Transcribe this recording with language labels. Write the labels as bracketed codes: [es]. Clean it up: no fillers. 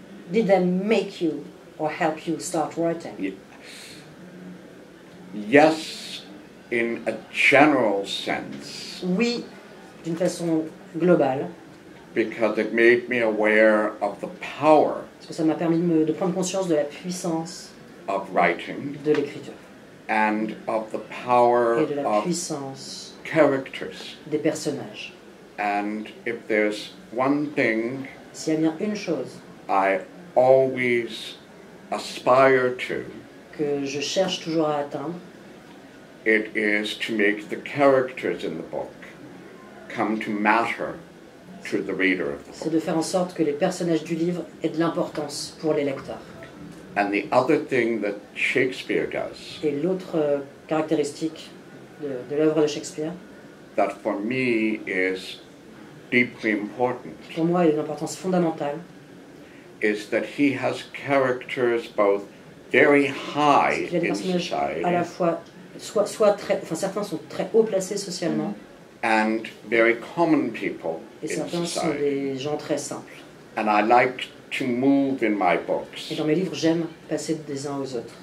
[en] Did that make you or help you start writing? Yes, in a general sense. [fr] Oui, d'une façon globale. [en] Because it made me aware of the power. [fr] Parce que ça m'a permis de prendre conscience de la puissance [en] of writing. [fr] De l'écriture. [en] And of the power [fr] et de la puissance [en] of characters. [fr] Des personnages. [en] And if there's one thing, [fr] s'il y a bien une chose, [en] I always aspire to, [fr] que je cherche toujours à atteindre, [en] it is to make the characters in the book come to matter to the reader of the book. [fr] C'est de faire en sorte que les personnages du livre aient de l'importance pour les lecteurs. [en] And the other thing that Shakespeare does. [fr] Et l'autre caractéristique de l'œuvre de Shakespeare. [en] That for me is deeply important. [fr] Pour moi, il a une importance fondamentale. [en] Is that he has characters both very high in society. [fr] À la fois soit très, enfin certains sont très haut placés socialement. [en] And very common people in society. [fr] Et certains sont des gens très simples. [en] And I like to move in my books. [fr] Et dans mes livres, j'aime passer des uns aux autres.